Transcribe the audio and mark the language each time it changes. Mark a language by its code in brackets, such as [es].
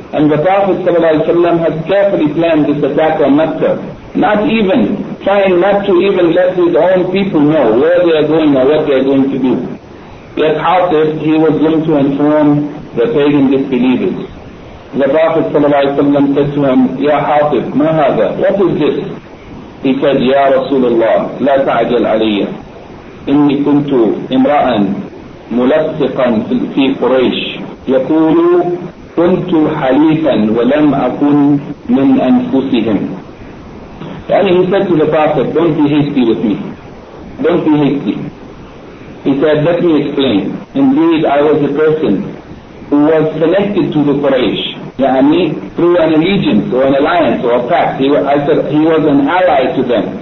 [en] And the Prophet [ar] صلى الله عليه وسلم [en] has carefully planned this attack on Mecca, not even trying not to even let his own people know where they are going or what they are going to do. Yet حافظ, he was going to inform the pagan disbelievers. The Prophet ﷺ said to him, [ar] يا حاطب, ما هذا? [en] What is this? He said, [ar] يا رسول الله, لا تعجل علي. إني كنت امرأة ملصقا في قريش. يقول, كنت حليفا ولم أكن من أنفسهم. [en] يعني he said to the Prophet, don't be hasty with me. Don't be hasty. He said, let me explain. Indeed, I was a person who was selected to the Quraysh. Yani, through an allegiance or an alliance or a pact. He was an ally to them.